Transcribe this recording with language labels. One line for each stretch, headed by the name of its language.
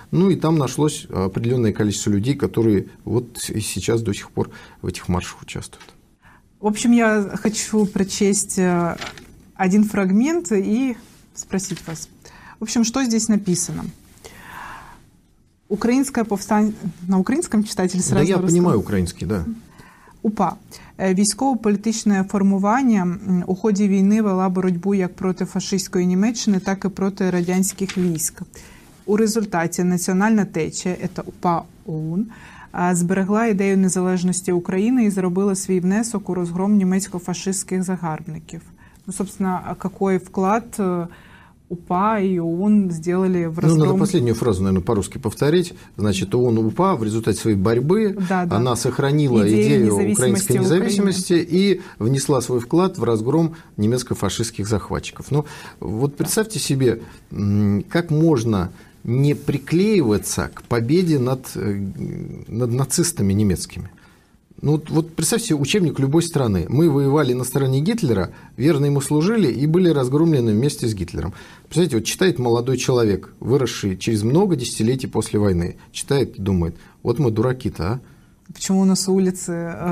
Russian: Ну и там нашлось определенное количество людей, которые вот и сейчас до сих пор в этих маршах участвуют. В общем, я хочу прочесть один фрагмент и спросить вас. В общем, что здесь написано? Украинская повстанка... На украинском читатель сразу... Да, я понимаю украинский, да. УПА.
Ukrainian: Військово-політичне формування у ході війни вела боротьбу як проти фашистської Німеччини, так і проти радянських військ. У результаті національна течія, це УПА ОУН, зберегла ідею незалежності України і зробила свій внесок у розгром німецько-фашистських загарбників.
Russian: Ну, собственно,
Ukrainian: який вклад УПА і ОУН зробили в розгром...
Russian: Ну, надо последнюю фразу, наверное, по-русски повторить.
Ukrainian: Значит, ОУН, УПА в результаті своєї боротьби, вона сохранила ідею української незалежності і внесла свій вклад в розгром німецько-фашистських захватчиків. Ну, от представьте собі, як можна не приклеюватися к победі над нацистами німецькими.
Russian: Ну, вот представьте себе учебник любой страны. Мы воевали на стороне Гитлера, верно ему служили и были разгромлены вместе с Гитлером. Представляете, вот читает молодой человек, выросший через много десятилетий после войны. Читает и думает, вот мы дураки-то, а? Почему у нас улицы...